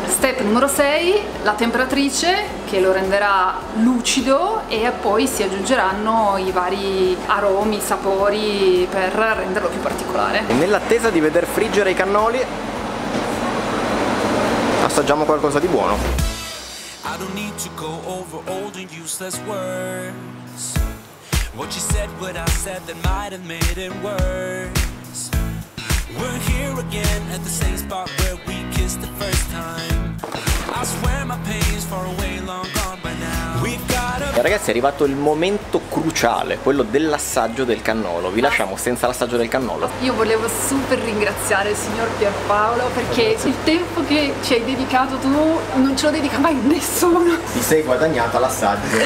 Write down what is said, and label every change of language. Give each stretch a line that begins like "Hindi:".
Italian: Step numero 6, la temperatrice che lo renderà lucido e poi si aggiungeranno i vari aromi, sapori per renderlo più particolare. Nell'attesa di veder friggere i cannoli, assaggiamo qualcosa di buono.
English: I don't need to go over old and useless words. What you said, what I said, that might have made it worse. We're here again at the same spot where we kissed the first time. I swear my pain is far away, long gone by now.
Italian: Ragazzi, è arrivato il momento cruciale, quello dell'assaggio del cannolo. Vi lasciamo senza l'assaggio del cannolo. Io volevo super ringraziare il signor Pierpaolo perché il tempo che ci hai dedicato tu non ce lo dedica mai nessuno. Ti sei guadagnata l'assaggio.